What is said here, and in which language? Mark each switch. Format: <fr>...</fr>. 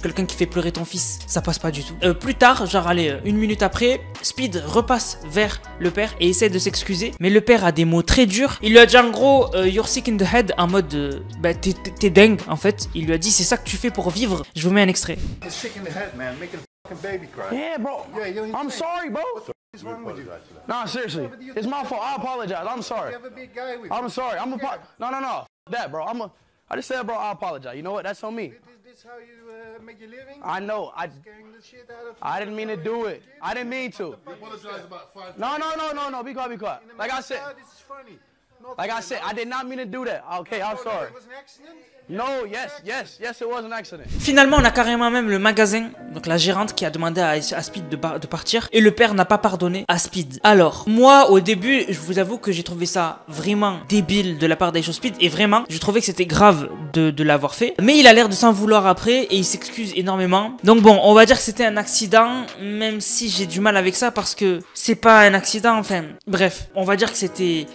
<fr>Quelqu'un qui fait pleurer ton fils, ça passe pas du tout. Plus tard, genre allez une minute après, Speed repasse vers le père et essaie de s'excuser. Mais le père a des mots très durs. Il lui a dit en gros</fr> <en>you're sick in the head,</en> <fr>en mode bah t'es dingue en fait. Il lui a dit c'est ça que tu fais pour vivre. Je vous mets un extrait.</fr> <en>It's sick in the head, man. Making... baby cry. Yeah, bro. Yeah, I'm sorry, bro. What the f- is wrong with you? Nah, seriously. It's my fault. I apologize. I'm sorry. I'm sorry. I'm a part. No, no, no. F- that, bro. I'm a. I just said, bro, I apologize. You know what? That's on me. This how you make your living? I know. I didn't mean to do it. I didn't mean to. No, no, no, no, no. Be quiet, be quiet. Like I said. This is funny. Like I said, I did not mean to do that. Okay, I'm sorry. No, yes, yes, yes, it was an accident.</en> <fr>Finalement, on a carrément même le magasin, donc la gérante qui a demandé à Speed de partir, et le père n'a pas pardonné à Speed. Alors, moi, au début, je vous avoue que j'ai trouvé ça vraiment débile de la part d'iShowSpeed, et vraiment, je trouvais que c'était grave de l'avoir fait. Mais il a l'air de s'en vouloir après, et il s'excuse énormément. Donc bon, on va dire que c'était un accident, même si j'ai du mal avec ça, parce que c'est pas un accident, enfin, bref, on va dire que c'était...</fr>